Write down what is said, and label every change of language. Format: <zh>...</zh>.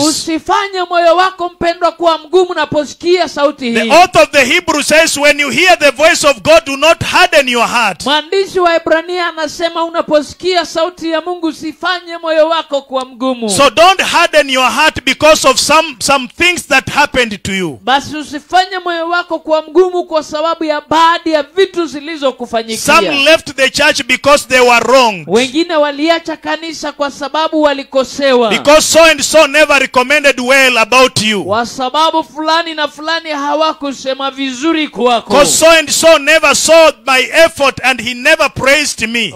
<sw>Usifanye moyo wako mpendwa kuwa mgumu unaposikia sauti hii.</sw> <en>The author of the Hebrews says when you hear the voice of God, do not harden your heart.</en> <sw>Mwandishi wa Ibrania anasema unaposikia sauti ya Mungu usifanye moyo wako kuwa mgumu.</sw> <en>So don't harden your heart because of some things that happened to you.</en> <sw>Basi usifanye moyo wako kwa mgumu kwa sababu ya baadhi ya vitu zilizokufanyikia.</sw> <en>Some left the church because they were wronged.</en> <sw>Wengine waliacha kanisa kwa sababu walikosewa.</sw> <en>Because so and so never recommended well about you.</en> <sw>Kwa sababu fulani na fulani hawakusema vizuri kwako.</sw> <en>Because so and so never saw my effort and he never praised me.</en>